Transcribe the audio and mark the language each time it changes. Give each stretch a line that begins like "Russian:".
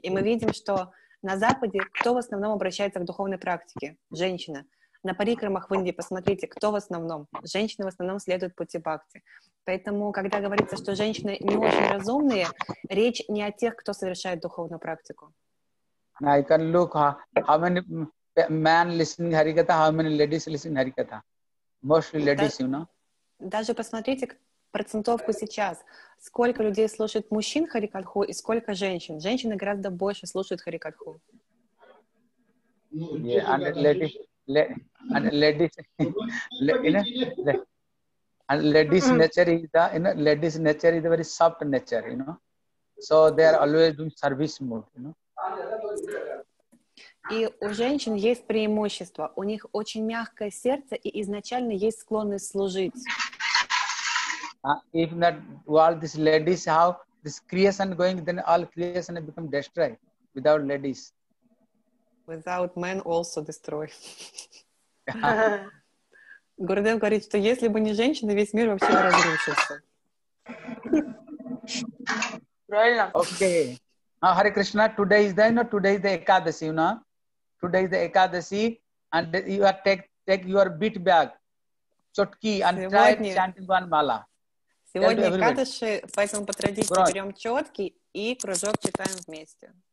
Russian: И мы видим, что на Западе кто в основном обращается к духовной практике? Женщина. На парикрамах в Индии, посмотрите, кто в основном? Женщины в основном следуют пути бхакти. Поэтому, когда говорится, что женщины не очень разумные, речь не о тех, кто совершает духовную практику.
English: I can look how many men listening Harikatha, how many ladies listening Harikatha. Mostly ladies, you know.
Russian: Даже посмотрите процентовку сейчас. Сколько людей слушают мужчин Харикатху и сколько женщин. Женщины гораздо больше слушают Харикатху.
English: Yeah, and ladies... ladies nature is a very soft nature, you know. So they are always in service mode, you know.
Russian: И у женщин есть преимущество. У них очень мягкое сердце и изначально есть склонность служить.
English: If not all these ladies, how this creation going, then all creation become destroyed without ladies. Without men also destroy.
Russian: Гурудев говорит, что если бы не женщины, весь мир вообще разрушился. Правильно. Окей.
English: Hare Krishna, today is the, you know, today is the Ekadasi, you know. Today is the Ekadasi, and you are take your beat bag, chotki, and try chanting one mala.
Russian: Сегодня Экадаши, поэтому по традиции берем четки и кружок читаем вместе.